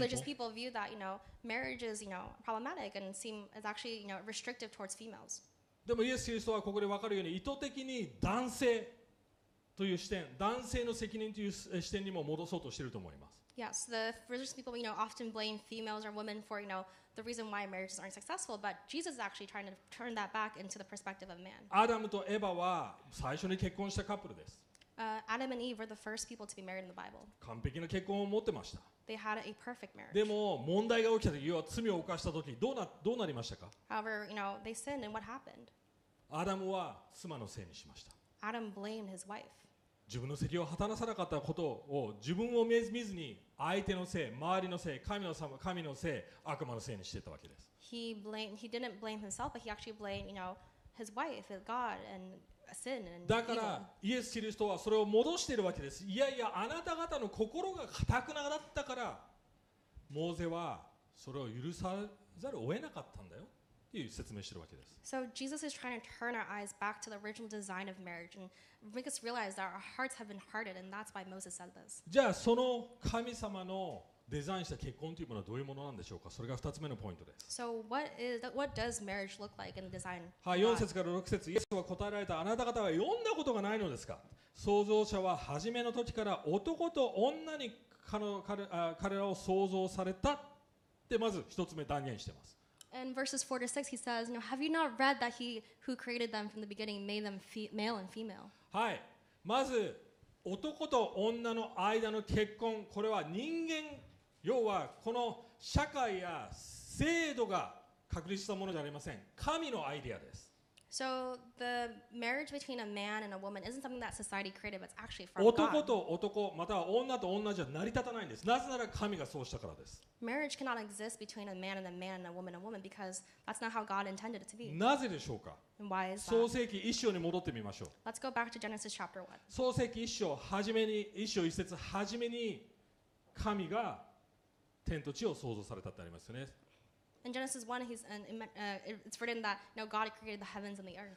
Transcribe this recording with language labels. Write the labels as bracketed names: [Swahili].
[English] Religious people view that, you know, marriage is, you know, problematic and seem is actually, you know, restrictive towards females. [Japanese] でもイエス・キリストはここで分かるように意図的に男性という視点、男性の責任という視点にも戻そうとしていると思います。 [English] Yes, the religious people, you know, often blame females or women for, you know, the reason why marriages aren't successful. But Jesus is actually trying to turn that back into the perspective of man. Adam and Eve were the first married couple. Adam and Eve were the first people to be married in the Bible. [Japanese] 完璧な結婚を持ってました。 [English] They had a perfect marriage. [Japanese] でも問題が起きた時、要は罪を犯した時、どうなりましたか？ [English] However, you know, they sinned, and what happened? [Japanese] Adam は妻のせいにしました。 [English] Adam blamed his wife. [Japanese] 自分の責任を果たさなかったことを自分を見ずに相手のせい、周りのせい、神のせい、悪魔のせいにしていたわけです。 [English] He didn't blame himself, but he actually blamed, you know, his wife, his God, and sin and evil. [Japanese] だからイエス・キリストはそれを戻しているわけです。いやいや、あなた方の心が固くなだったから、モーゼはそれを許さざるを得なかったんだよ。説明してるわけです。 [English] So Jesus is trying to turn our eyes back to the original design of marriage and make us realize that our hearts have been hardened and that's why Moses said this. [Japanese] じゃあその神様のデザインした結婚というものはどういうものなんでしょうか。それが2つ目のポイントです。 [English] So what does marriage look like in the design? [Japanese] はい、4節から6節、イエスは答えられた。あなた方は読んだことがないのですか。創造者は初めの時から男と女に彼らを創造されたってまず一つ目断言してます。 [English] In verses 4 to 6, he says, you know, have you not read that he who created them from the beginning made them male and female? [Japanese] はい。まず、男と女の間の結婚、これは人間、要はこの社会や制度が確立したものじゃありません。神のアイデアです。 [English] So the marriage between a man and a woman isn't something that society created, but it's actually from God. [Japanese] 男と男、または女と女じゃ成り立たないんです。なぜなら神がそうしたからです。 [English] Marriage cannot exist between a man and a man and a woman because that's not how God intended it to be. [Japanese] なぜでしょうか？ [English] And why is that? [Japanese] 創世記一章に戻ってみましょう。 [English] Let's go back to Genesis chapter 1. [Japanese] 創世記一章初めに、一章一節初めに神が天と地を創造されたってありますよね。 [English] In Genesis 1, it's written that now God created the heavens and the earth.